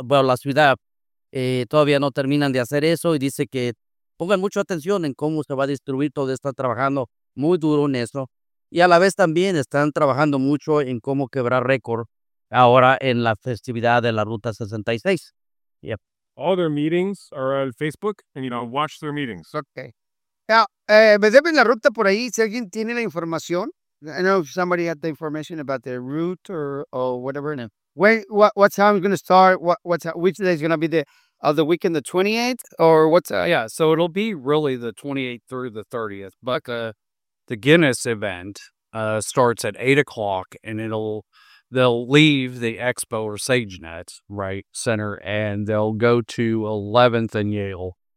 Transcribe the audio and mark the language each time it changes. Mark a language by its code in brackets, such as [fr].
[es] Bueno, la ciudad todavía no terminan de hacer eso y dice que pongan mucha atención en cómo se va a distribuir todo. Están trabajando muy duro en eso. Y a la vez también están trabajando mucho en cómo quebrar récord ahora en la festividad de la Ruta 66. [en] Yep. All their meetings are on Facebook, and you know, watch their meetings. Okay. [es] Now, me deben la ruta por ahí. Si alguien tiene la información. [en] I know if somebody had the information about their route or whatever. No. What time is going to start? Which day is going to be the weekend, the 28th? Or what's that? Yeah, so it'll be really the 28th through the 30th. But the Guinness event starts at 8:00, and they'll leave the Expo or SageNet right center, and they'll go to 11th and Yale.